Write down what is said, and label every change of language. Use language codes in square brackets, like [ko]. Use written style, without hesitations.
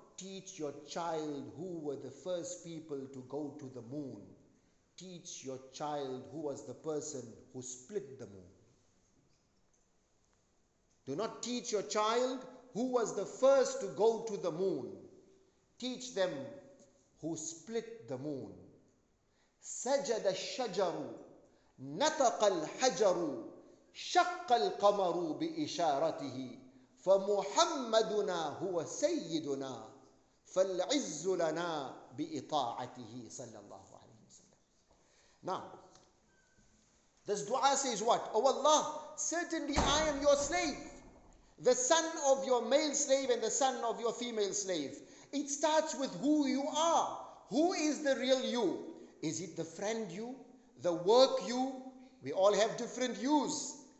[en] teach your child who were the first people to go to the moon. Teach your child who was the person who split the moon. Do not teach your child who was the first to go to the moon. Teach them who split the moon. [ar] سجد الشجر نطق الحجر شق القمر بإشارته فمحمدنا هو سيدنا فالعز لنا بإطاعته صلى الله عليه وسلم. [en] Now, this dua says what? O Allah, certainly I am your slave, the son of your male slave and the son of your female slave. It starts with who you are. Who is the real you? Is it the friend you? The work you? We all have different yous.